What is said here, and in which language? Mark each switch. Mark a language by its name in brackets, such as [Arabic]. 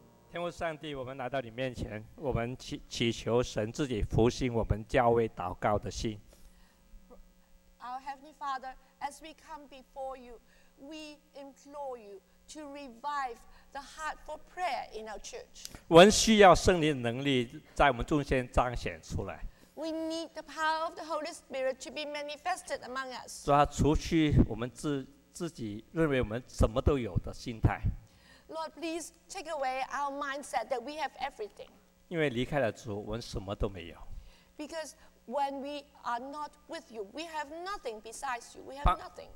[Chinese] 天父上帝，我们来到你面前，我们祈求神自己复兴我们教会祷告的心。 [English] Our Heavenly Father, as we come before you, we implore you to revive the heart for prayer in our church. [Chinese] 我们需要圣灵的能力在我们中间彰显出来。 [English] We need the power of the Holy Spirit to be manifested among us. [Chinese] 主啊，除去我们自己认为我们什么都有的心态。 [English] Lord, please take away our mindset that we have everything. [Chinese] 因为离开了主，我们什么都没有。 [English] Because when we are not with you, we have nothing besides you. We have nothing.